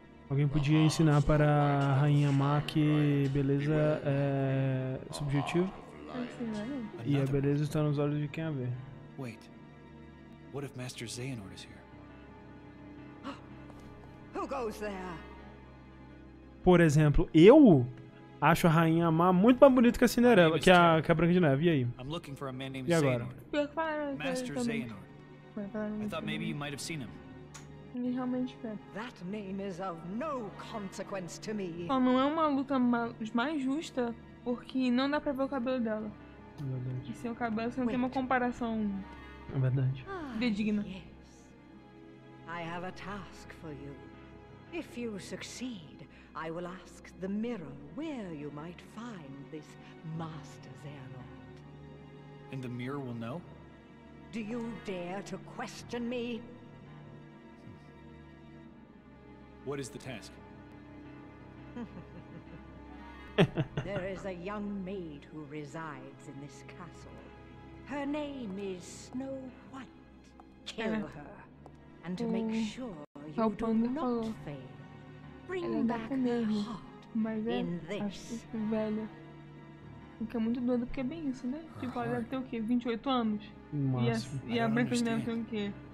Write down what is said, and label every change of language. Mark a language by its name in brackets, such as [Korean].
[Portuguese] Alguém podia ensinar para a Rainha Má que beleza é subjetivo e a beleza está nos olhos de quem a vê. [English] Wait. What if Master Xehanort is here? Who goes there? [Portuguese] Por exemplo, eu acho a Rainha Má muito mais bonita que a Cinderela, que a Branca de Neve. E aí? [English] I'm looking for a man named Xehanort. Master Xehanort. I thought maybe you might have seen him. That name is of no consequence to me. [Portuguese] Só não é uma luta mais justa porque não dá pra ver o cabelo dela. É verdade. E seu cabelo, você não tem uma comparação. É verdade. Fidedigna. [English] Yes. I have a task for you. If you succeed, I will ask the mirror where you might find this Master Xehanort. And the mirror will know? Do you dare to question me? What is the task? There is a young maid who resides in this castle. Her name is Snow White. Kill her. And to make sure you do not fail, bring back her heart in this. [Portuguese] Velha. O que é muito doido, porque é bem isso, né? Tipo, ela deve ter o quê? 28 anos? Máximo. E a Branca de Neve tem o quê?